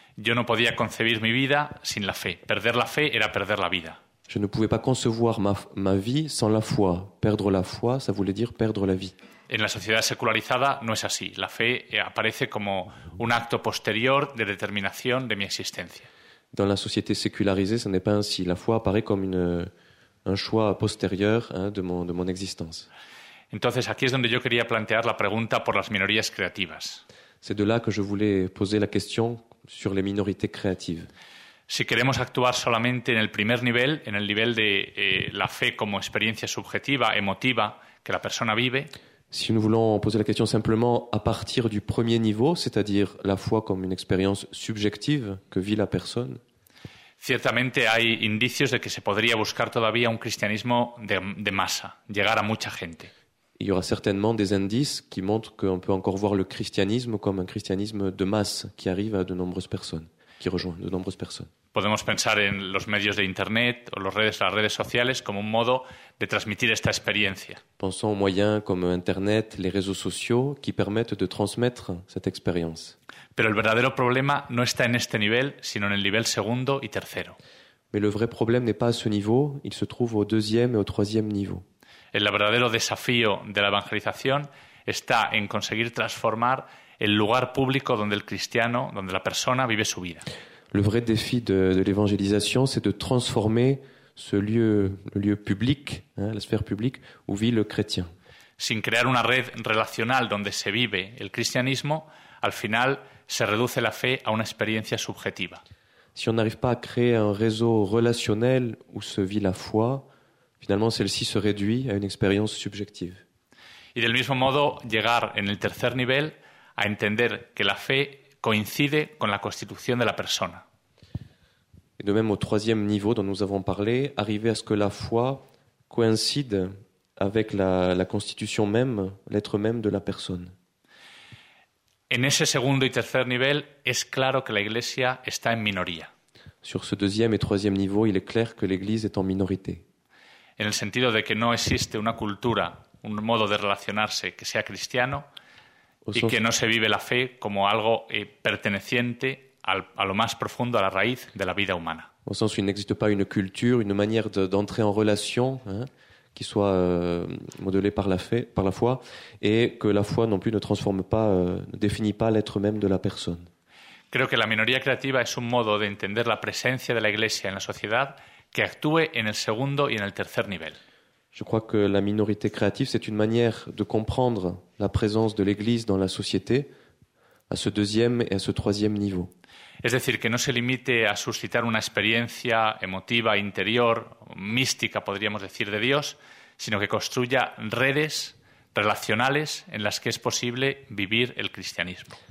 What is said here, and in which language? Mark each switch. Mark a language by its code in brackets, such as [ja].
[es] Yo no podía concebir mi vida sin la fe. Perder la fe era perder la vida. [fr] Je ne pouvais pas concevoir ma vie sans la foi. Perdre la foi, ça voulait dire perdre la vie. [es] En la sociedad secularizada no es así. La fe aparece como un acto posterior de determinación de mi existencia. [fr] Dans la société sécularisée, ce n'est pas ainsi. La foi apparaît comme un choix postérieur de mon existence. [es] Entonces, aquí es donde yo quería plantear la pregunta por las minorías creativas. [fr] C'est de là que je voulais poser la question sur les minorités créatives. [es] Si queremos actuar solamente en el primer nivel, en el nivel de la fe como experiencia subjetiva, emotiva, que la persona vive. [fr] Si nous voulons poser la question simplement à partir du premier niveau, c'est-à-dire la foi comme une expérience subjective que vit la personne. [es] Ciertamente hay indicios de que se podría buscar todavía un cristianismo de masa, llegar a mucha gente. [fr] Il y aura certainement des indices qui montrent qu'on peut encore voir le christianisme comme un christianisme de masse qui arrive à de nombreuses personnes. Qui rejoint de nombreuses personnes. [es] Podemos pensar en los medios de internet o las redes sociales como un modo de transmitir esta experiencia. [fr] Pensons aux moyens comme internet, les réseaux sociaux qui permettent de transmettre cette expérience. [es] Pero el verdadero problema no está en este nivel, sino en el nivel segundo y tercero. [fr] Mais le vrai problème n'est pas à ce niveau, il se trouve au deuxième et au troisième niveau. [es] El verdadero desafío de la evangelización está en conseguir transformar el lugar público donde el cristiano, donde la persona vive su vida. [fr] Le vrai défi de l'évangélisation, c'est de transformer ce lieu, le lieu public, la sphère publique où vit le chrétien. [es] Sin crear una red relacional donde se vive el cristianismo, al final se reduce la fe a una experiencia subjetiva. [fr] Si on n'arrive pas à créer un réseau relationnel où se vit la foi, finalement celle-ci se réduit à une expérience subjective. [es] Y del mismo modo, llegar en el tercer nivel a entender que la fe coincide con la constitución de la persona. [fr] Et de même au troisième niveau dont nous avons parlé, arriver à ce que la foi coïncide avec la constitution même, l'être même de la personne. [es] En ese segundo y tercer nivel es claro que la iglesia está en minoría. [fr] Sur ce deuxième et troisième niveau, il est clair que l'église est en minorité. [es] En el sentido de que no existe una cultura, un modo de relacionarse que sea cristiano. Y que no se vive la fe como algo perteneciente a lo más profundo, a la raíz de la vida humana. [fr] Au sens où il n'existe pas une culture, une manière d'entrer en relation qui soit modelée par la foi, et que la foi non plus ne transforme pas, ne définit pas l'être même de la personne. [es] Creo que la minoría creativa es un modo de entender la presencia de la Iglesia en la sociedad que actúe en el segundo y en el tercer nivel. [fr] Je crois que la minorité créative, c'est une manière de comprendre la présence de l'Église dans la société à ce deuxième et à ce troisième niveau. [es] Es decir, que no se limite a suscitar una experiencia emotiva, interior, mística, podríamos decir, de Dios, sino que construya redes relacionales en las que es posible vivir el cristianismo.